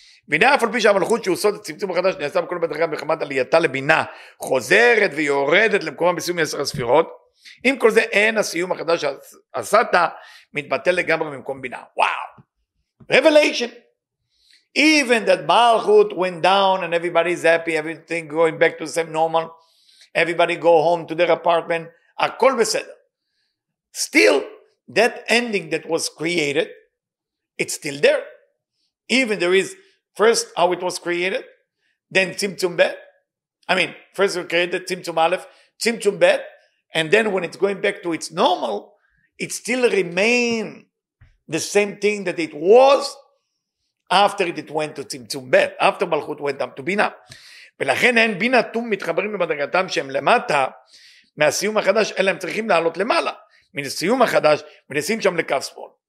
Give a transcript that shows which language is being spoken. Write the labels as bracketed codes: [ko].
[he] בינה אף על פי שהמלכות שעושות את צמצום החדש נעשה בכל מדרגה מחמת עלייתה לבינה חוזרת ויורדת למקומה בסיום 10 הספירות. עם כל זה אין הסיום החדש שעשת מתבטל לגמרי במקום בינה. וואו! Revelation! [en] Even that מלכות went down and everybody is happy, everything going back to the same normal, everybody go home to their apartment, [he] הכל בסדר. [en] Still, that ending that was created, it's still there. Even there is first, how it was created, then Tzimtzum Bet, I mean, first we created Tzimtzum Aleph, Tzimtzum Bet, and then when it's going back to its normal, it still remains the same thing that it was after it went to Tzimtzum Bet, after Malchut went up to Bina. [he] ולכן אין בינה תום מתחברים למדרגתם שהם למטה מהסיום החדש, אלא הם צריכים לעלות למעלה מן הסיום החדש ונשים שם לקו ספול.